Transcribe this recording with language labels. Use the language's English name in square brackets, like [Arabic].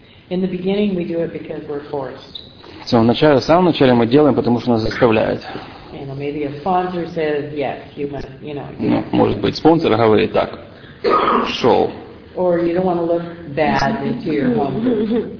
[English] In the beginning, we do it because we're forced. [Russian] В самом начале мы делаем, потому что нас заставляют. [English] You know, maybe a sponsor says, yes, you must, you know. [Russian] Ну, может быть, спонсор говорит так, шел. [English] Or you don't want to look bad into your home.